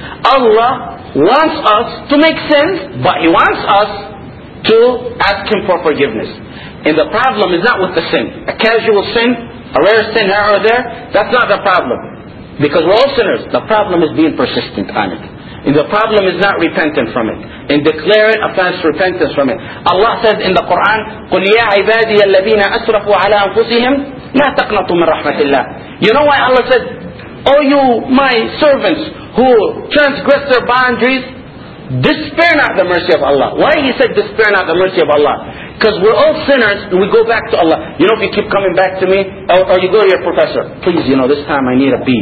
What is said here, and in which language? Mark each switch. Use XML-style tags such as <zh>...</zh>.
<en>Allah wants us to make sins, but He wants us to ask Him for forgiveness. And the problem is not with the sin. A casual sin, a rare sin here or there, that's not the problem. Because we're all sinners. The problem is being persistent on it. And the problem is not repenting from it. And declaring offense repentance from it. Allah says in the Quran,</en> <ar>قُلْ يَا عِبَادِيَ الَّذِينَ أَسْرَفُوا عَلَىٰ أَنفُسِهِمْ لَا تَقْنَطُوا مِنْ رَحْمَةِ اللَّهِ.</ar> <en>You know why Allah said, "Oh you, my servants, who transgress their boundaries, despair not the mercy of Allah." Why He said despair not the mercy of Allah? Because we're all sinners and we go back to Allah. You know, if you keep coming back to me, or you go to your professor, "Please, you know, this time I need a B.</en>